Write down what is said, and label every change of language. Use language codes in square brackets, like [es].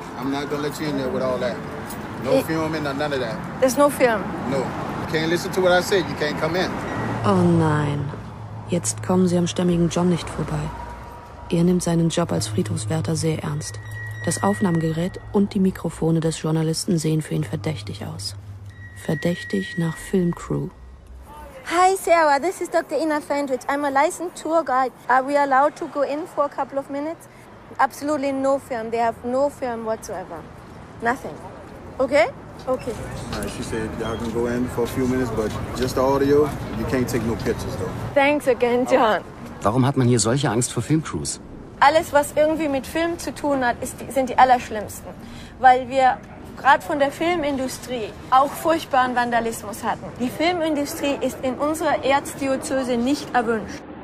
[en] I'm not gonna let you in there with all that. No film and none of that. There's no film. No. You can't listen to what I said. You can't come in. [de] Oh nein. Jetzt kommen sie am stämmigen John nicht vorbei. Er nimmt seinen Job als Friedhofswärter sehr ernst. Das Aufnahmegerät und die Mikrofone des Journalisten sehen für ihn verdächtig aus. Verdächtig nach Filmcrew. [en] Hi Sarah, this is Dr. Ina Fendrich. I'm a licensed tour guide. Are we allowed to go in for a couple of minutes? Absolutely no film. They have no film whatsoever. Nothing. Okay? Okay. She said y'all can go in for a few minutes, but just the audio, you can't take no pictures though. Thanks again, John. [de] Warum hat man hier solche Angst vor Filmcrews? Alles, was irgendwie mit Film zu tun hat, sind die allerschlimmsten. Weil wir gerade von der Filmindustrie auch furchtbaren Vandalismus hatten. Die Filmindustrie ist in unserer Erzdiözese nicht erwünscht.